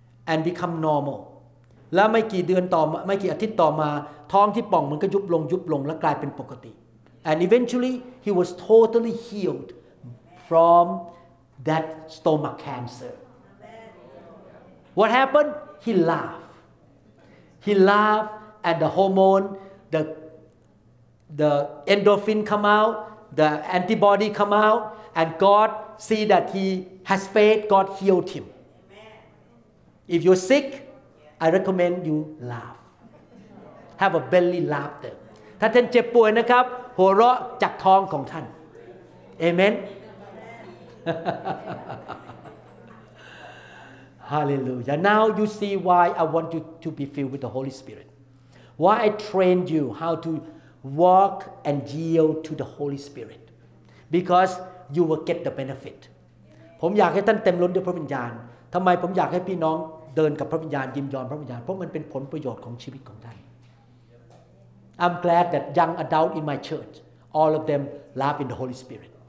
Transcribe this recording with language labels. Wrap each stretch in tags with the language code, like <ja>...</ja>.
<en>and become normal</en> <th>แล้วไม่กี่เดือนต่อมาไม่กี่อาทิตย์ต่อมาท้องที่ป่องมันก็ยุบลงยุบลงและกลายเป็นปกติ</th> <en>And eventually, he was totally healed from that stomach cancer. What happened? He laughed. He laughed and the hormone, the endorphin come out, the antibody come out, and God see that he has faith, God healed him. If you're sick, I recommend you laugh. Have a belly laughter.</en> <th>ถ้าท่านเจ็บป่วยนะครับหัวเราะจากท้องของท่านเอเมนฮาเลลูยา</th> <en>Now you see why I want you to be filled with the Holy Spirit. Why I trained you how to walk and yield to the Holy Spirit. Because you will get the benefit.</en> <th>ผมอยากให้ท่านเต็มล้นด้วยพระวิญญาณทำไมผมอยากให้พี่น้องเดินกับพระวิญญาณยินยอมพระวิญญาณเพราะมันเป็นผลประโยชน์ของชีวิตของท่าน</th> <en>I'm glad that young adults in my church, all of them laugh in the Holy Spirit.</en>